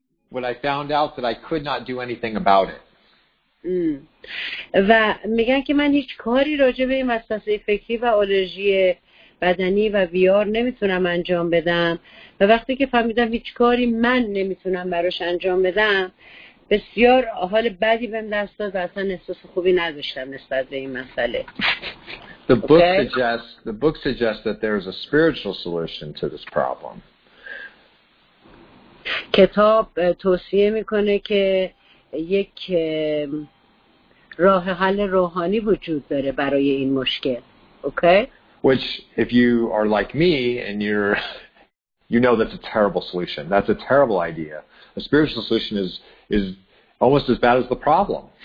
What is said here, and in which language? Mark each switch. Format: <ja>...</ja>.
<en>when I found out that I could not do anything about it.</en> <fa>و میگن که من هیچ کاری راجع به این وسوسه فکری و آلرژی بدنی و وی آر نمیتونم انجام بدم و وقتی که فهمیدم هیچ کاری من نمیتونم براش انجام بدم بسیار حال بدی بهم دست داد و اصلا احساس خوبی نداشتم نسبت به این مسئله.</fa> <en>The book suggests that there is a spiritual solution to this problem.</en> <fa>کتاب توصیه میکنه که یک راه حل روحانی وجود داره برای این مشکل.</fa> <en>Okay? Which, if you are like me and you know that's a terrible solution. That's a terrible idea. A spiritual solution is almost as bad as the problem.</en>